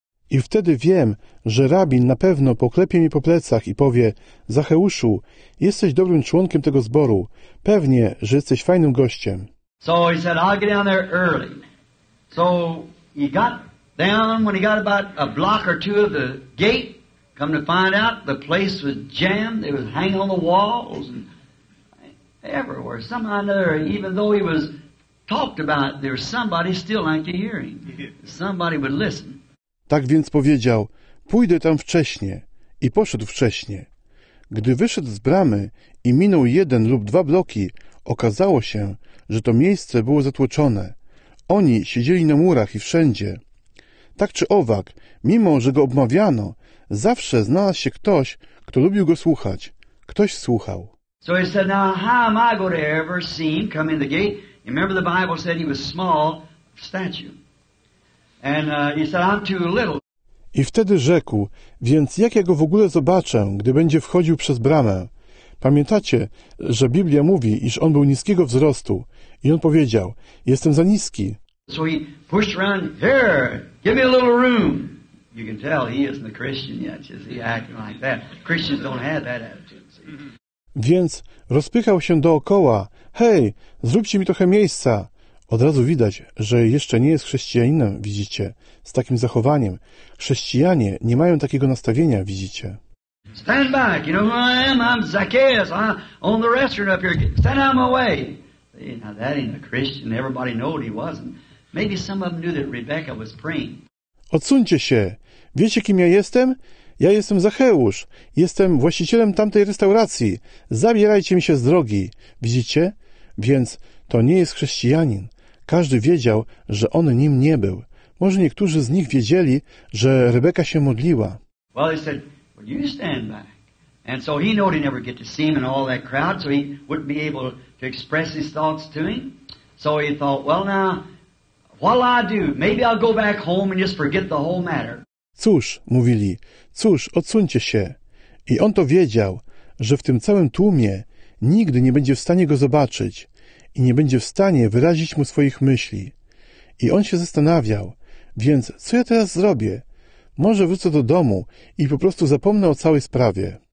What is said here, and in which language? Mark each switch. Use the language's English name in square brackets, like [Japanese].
[Polish] I wtedy wiem, że rabin na pewno poklepie mi po plecach i powie, Zacheuszu, jesteś dobrym członkiem tego zboru. Pewnie, że jesteś fajnym gościem. [English] So he said, I'll get down there early. So he got down when he got about a block or two of the gate. Come to find out, the place was jammed. It was hanging on the walls and everywhere. Somehow or another, even though he was talked about, there was somebody still like to hear him. Somebody would listen. [Polish] Tak więc powiedział, pójdę tam wcześnie. I poszedł wcześnie. Gdy wyszedł z bramy i minął jeden lub dwa bloki, okazało się, że to miejsce było zatłoczone. Oni siedzieli na murach i wszędzie. Tak czy owak, mimo że go obmawiano, zawsze znalazł się ktoś, kto lubił go słuchać. Ktoś słuchał. [English] So he said, now how am I going to ever see him come in the gate? You remember the Bible said he was small of stature. And he said, I'm too little. [Polish] I wtedy rzekł, więc jak ja go w ogóle zobaczę, gdy będzie wchodził przez bramę? Pamiętacie, że Biblia mówi, iż on był niskiego wzrostu. I on powiedział, jestem za niski. [English] So he pushed around, here, give me a little room. You can tell he isn't a Christian yet, is he acting like that? Christians don't have that attitude, see? [Polish] Więc rozpychał się dookoła, hej, zróbcie mi trochę miejsca. Od razu widać, że jeszcze nie jest chrześcijaninem, widzicie, z takim zachowaniem. Chrześcijanie nie mają takiego nastawienia, widzicie. [English] Stand back, you know who I am? I'm Zacchaeus, I own the restaurant up here. Stand out of my way. See, now that ain't a Christian, everybody knew what he wasn't. Maybe some of them knew that Rebecca was praying. [Polish] Odsuńcie się. Wiecie, kim ja jestem? Ja jestem Zacheusz. Jestem właścicielem tamtej restauracji. Zabierajcie mi się z drogi, widzicie? Więc to nie jest chrześcijanin. Każdy wiedział, że on nim nie był. Może niektórzy z nich wiedzieli, że Rebeka się modliła. [English] Well, they said, well, you stand back. And so he knew he'd never get to see him in all that crowd, so he wouldn't be able to express his thoughts to him. So he thought, well now, what'll I do? Maybe I'll go back home and just forget the whole matter. [Polish] Cóż, mówili, cóż, odsuńcie się. I on to wiedział, że w tym całym tłumie nigdy nie będzie w stanie go zobaczyć i nie będzie w stanie wyrazić mu swoich myśli. I on się zastanawiał, więc co ja teraz zrobię? Może wrócę do domu i po prostu zapomnę o całej sprawie.